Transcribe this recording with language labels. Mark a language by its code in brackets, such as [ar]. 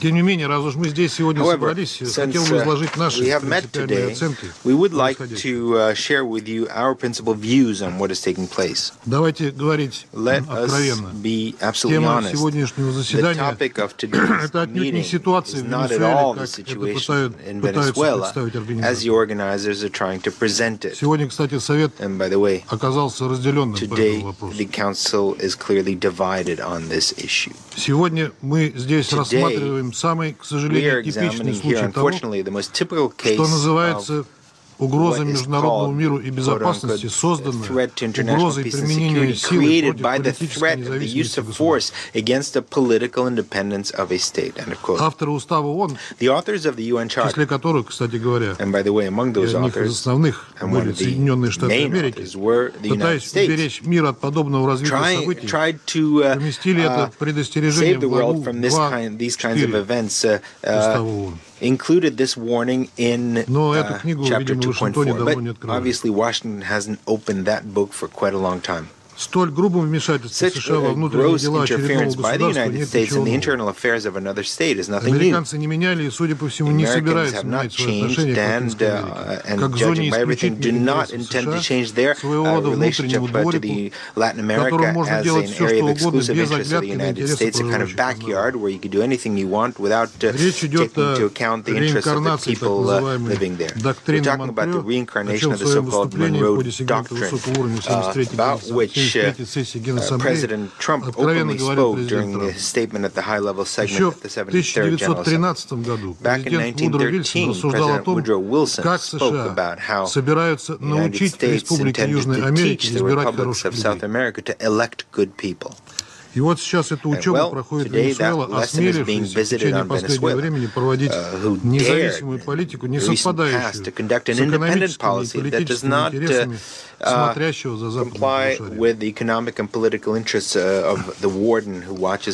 [ru] Тем не менее, раз уж мы здесь сегодня собрались, хотел бы изложить наши принципиальные оценки происходящего. Давайте говорить откровенно. Тема сегодняшнего заседания – это отнюдь не ситуация в Венесуэле, [en] in Venezuela, as the organizers are trying to present it. [ru] Сегодня, кстати, Совет оказался разделенным по этому вопросу. [en] Today, the Council is clearly divided on this issue. [ru] Сегодня мы здесь рассматриваем самый, к сожалению, типичный случай того, что называется угроза международному миру и безопасности, созданной угрозой применения силы против политической независимости государства. Авторы Устава ООН, в числе которых, кстати говоря, одних из основных были Соединенные Штаты Америки, пытаясь уберечь мир от подобного развития событий, поместили это предостережение в главу 2.4 Устава ООН. [en] Included this warning in chapter 2.4, but obviously Washington hasn't opened that book for quite a long time. [ru] Столь грубым вмешательством США во внутренние дела очередного государства нет ничего нового. Американцы не меняли и, судя по всему, не собираются менять свои отношения к Латинской Америке, как к зоне исключительной интересов США, своего рода внутреннему дворику, которому можно делать все, что угодно, без оглядки на интересы проживающих. Речь идет о реинкарнации, так называемой доктрины Монтрео, о чем в своем выступлении в ходе сегмента высокого уровня 73-го [en] President Trump openly spoke during the statement at the high-level segment at the 73rd General Assembly. Back in 1913, President Woodrow Wilson spoke about how the United States intended to teach the Republics of South America to elect good people. [ru] И вот сейчас эта учеба проходит Венесуэла, осмелившись в течение последнего времени проводить независимую политику, не совпадающую с экономическими и политическими интересами смотрящего за западными